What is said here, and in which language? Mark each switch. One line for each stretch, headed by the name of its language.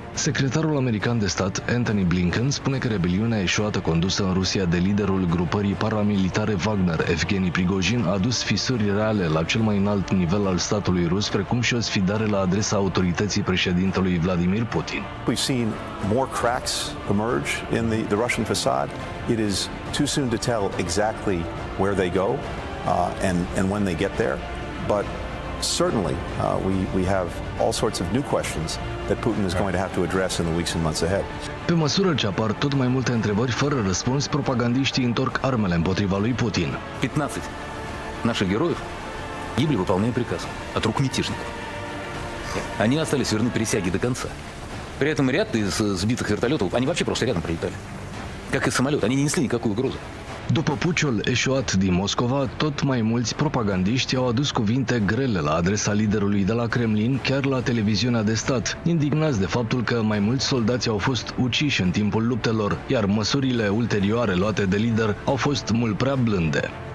Romanian: Secretarul american de stat, Antony Blinken, spune că rebeliunea eșuată condusă în Rusia de liderul grupării paramilitare Wagner, Evgenii Prigojin, a dus fisuri reale la cel mai înalt nivel al statului rus, precum și o sfidare la adresa autorității președintelui Vladimir Putin.
English: We've seen more cracks emerge in the Russian facade. It is too soon to tell exactly where they go and when they get there, but certainly we have all sorts of new questions that Putin is going to have to address in the weeks and months ahead.
Romanian: Pe măsură ce apar tot mai multe întrebări fără răspuns, propagandiștii întorc armele împotriva lui Putin.
Russian: 15 наших героев гибли, выполняя приказ от рук мятежников. Они остались верны присяге до конца. При этом ряд из сбитых вертолетов, они вообще просто рядом прилетали. Как и самолет, они не несли никакую угрозу.
Romanian: După puciul eșuat din Moscova, tot mai mulți propagandiști au adus cuvinte grele la adresa liderului de la Kremlin, chiar la televiziunea de stat, indignați de faptul că mai mulți soldați au fost uciși în timpul luptelor, iar măsurile ulterioare luate de lider au fost mult prea blânde.